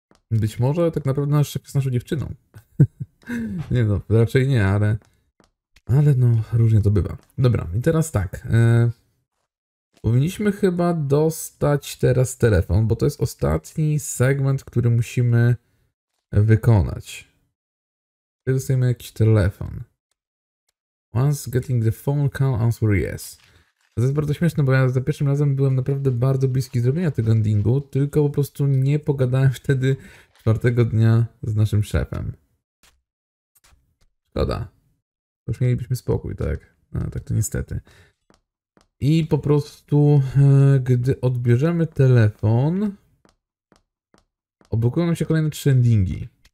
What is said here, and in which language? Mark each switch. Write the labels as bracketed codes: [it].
[pl] Być może tak naprawdę nasz szef jest naszą dziewczyną. Nie no, raczej nie, ale... Ale no, różnie to bywa. Dobra, i teraz tak. Powinniśmy chyba dostać teraz telefon, bo to jest ostatni segment, który musimy wykonać. Dostajemy jakiś telefon. [en] Once getting the phone call, answer yes. [pl] To jest bardzo śmieszne, bo ja za pierwszym razem byłem naprawdę bardzo bliski zrobienia tego endingu, tylko po prostu nie pogadałem wtedy czwartego dnia z naszym szefem. Szkoda. Już mielibyśmy spokój, tak? No, tak to niestety. I po prostu, gdy odbierzemy telefon, oblokują nam się kolejne trzy endingi.